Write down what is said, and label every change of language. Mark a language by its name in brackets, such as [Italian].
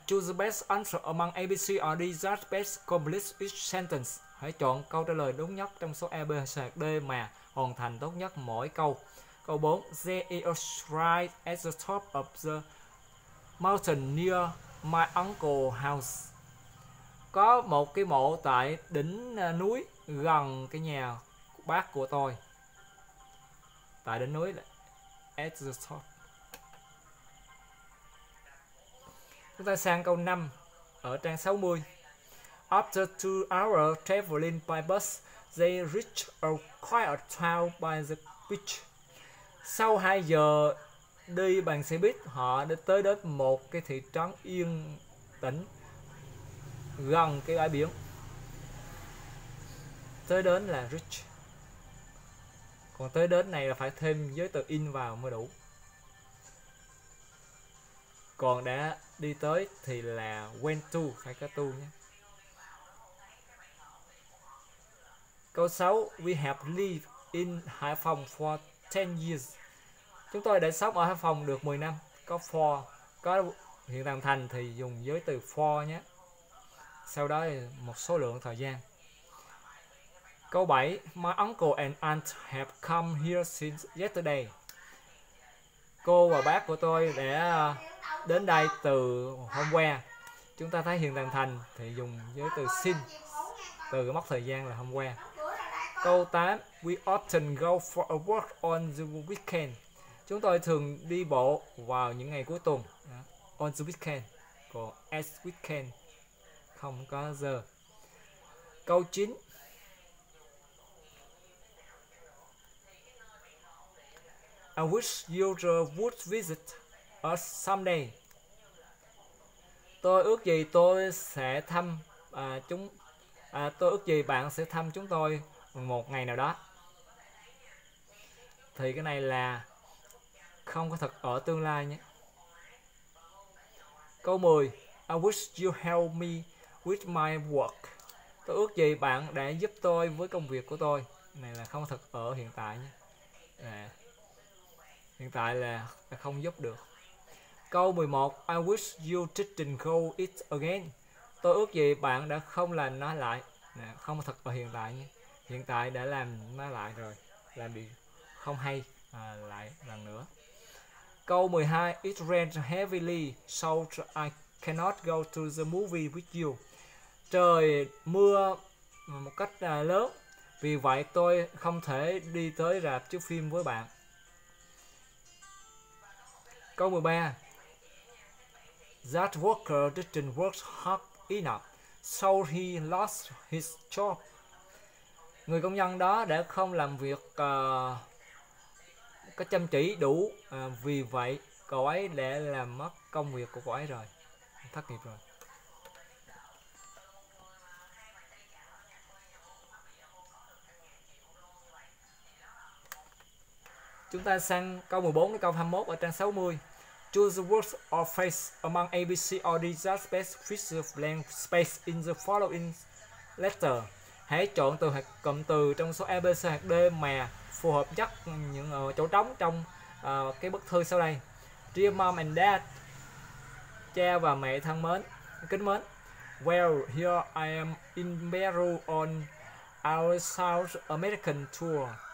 [English] Choose the best answer among A, B, C or D. Just best complete each sentence. [Vietnamese] Hãy chọn câu trả lời đúng nhất trong số A, B, C, D mà hoàn thành tốt nhất mỗi câu. Câu 4. [English] There is a shrine at the top of the mountain near my uncle's house. [Vietnamese] Có một cái mộ tại đỉnh núi gần cái nhà bác của tôi. Tại đỉnh núi là [English] at the top. [Vietnamese] Chúng ta sang câu 5 ở trang 60. [English] After 2 hours traveling by bus, they reach a quiet town by the beach. [Vietnamese] Sau 2 giờ đi bằng xe buýt, họ đã tới đến một cái thị trấn yên tĩnh gần cái bãi biển. Tới đến là reach. Còn tới đến này là phải thêm giới từ in vào mới đủ. Còn đã đi tới thì là [English] went to, [Vietnamese] phải có to nhé. Câu 6. [English] We have lived in Hải Phòng for 10 years. [Vietnamese] Chúng tôi đã sống ở Hải Phòng được 10 năm. Có for, có hiện tại thành thì dùng giới từ for nhé. Sau đó là một số lượng thời gian. Câu 7. [English] My uncle and aunt have come here since yesterday. [Vietnamese] Cô và bác của tôi đã đến đây từ hôm qua. Chúng ta thấy hiện tại thành thì dùng giới từ since, từ mốc thời gian là hôm qua. Câu 8. [English] We often go for a walk on the weekend. [Vietnamese] Chúng tôi thường đi bộ vào những ngày cuối tuần. [English] On the weekend. [Vietnamese] Còn [English] as weekend. [Vietnamese] Không có giờ. Câu 9. [English] I wish you would visit us someday. [Vietnamese] Tôi ước gì tôi sẽ thăm tôi ước gì bạn sẽ thăm chúng tôi một ngày nào đó. Thì cái này là không có thật ở tương lai nhé. Câu 10. [English] I wish you help me with my work. [Vietnamese] Tôi ước gì bạn đã giúp tôi với công việc của tôi. Này là không thật ở hiện tại nhé. À, hiện tại là không giúp được. Câu 11. [English] I wish you didn't go it again. [Vietnamese] Tôi ước gì bạn đã không làm nó lại. Nè, không thật ở hiện tại nhé. Hiện tại đã làm nó lại rồi. Làm bị không hay lại lần nữa. Câu 12. [English] It rained heavily, so I cannot go to the movie with you. [Vietnamese] Trời mưa một cách lớn, vì vậy tôi không thể đi tới rạp chiếu phim với bạn. Câu 13. [English] That worker didn't work hard enough, so he lost his job. [Vietnamese] Người công nhân đó đã không làm việc có chăm chỉ đủ, vì vậy cậu ấy đã làm mất công việc của cậu ấy rồi, thất nghiệp rồi. Chúng ta sang câu 14 đến câu 21 ở trang 60. [English] Choose the words or phrase among A, B, C or D that best fits the blank space in the following letter. [Vietnamese] Hãy chọn từ hoặc cụm từ trong số A, B, C hoặc D mà phù hợp nhất những chỗ trống trong cái bức thư sau đây. [English] Dear mom and dad, [Vietnamese] cha và mẹ thân mến, kính mến. [English] Well, here I am in Peru on our South American tour.